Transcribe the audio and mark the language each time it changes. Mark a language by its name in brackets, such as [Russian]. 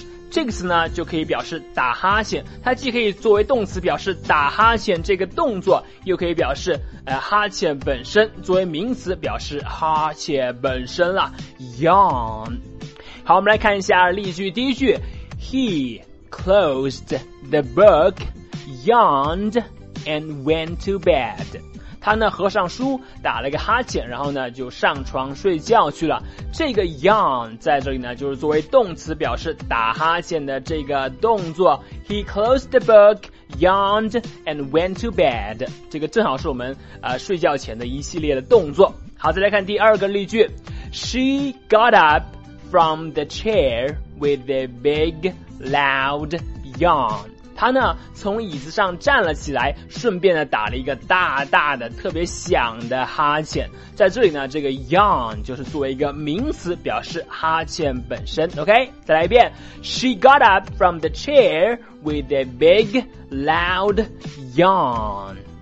[Chinese] 这个词呢就可以表示打哈欠，它既可以作为动词表示打哈欠这个动作，又可以表示哈欠本身，作为名词表示哈欠本身啦， yawn。好，我们来看一下例句。第一句， [English] He closed the book, yawned and went to bed。 [Chinese] 他呢合上书，打了个哈欠，然后呢就上床睡觉去了。这个 yawn 在这里呢就是作为动词表示打哈欠的这个动作。 [English] He closed the book, yawned and went to bed， [Chinese] 这个正好是我们睡觉前的一系列的动作。好，再来看第二个例句。 [English] She got up from the chair with a big loud yawn。 [Chinese] 她呢从椅子上站了起来，顺便呢打了一个大大的特别响的哈欠。在这里呢这个 yawn 就是作为一个名词表示哈欠本身。 OK， 再来一遍。 [English] She got up from the chair with a big loud yawn。